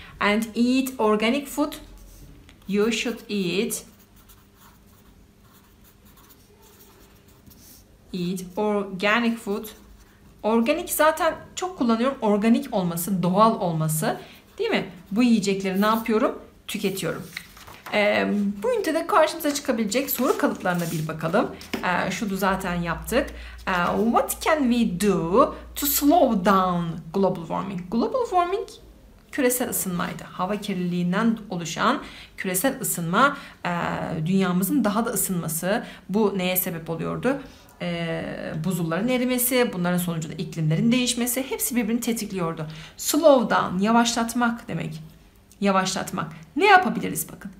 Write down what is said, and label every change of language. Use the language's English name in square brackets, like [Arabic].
[English] And eat organic food. You should eat organic food. [Turkish] Organic zaten çok kullanıyorum. Organik olması, doğal olması, değil mi? Bu yiyecekleri ne yapıyorum? Tüketiyorum. Bu ünitede karşımıza çıkabilecek soru kalıplarına bir bakalım. Şunu zaten yaptık. [English] What can we do to slow down global warming? [Turkish] Global warming küresel ısınmaydı. Hava kirliliğinden oluşan küresel ısınma, dünyamızın daha da ısınması, bu neye sebep oluyordu? Buzulların erimesi, bunların sonucunda iklimlerin değişmesi, hepsi birbirini tetikliyordu. Slow down, yavaşlatmak demek. Yavaşlatmak. Ne yapabiliriz bakın?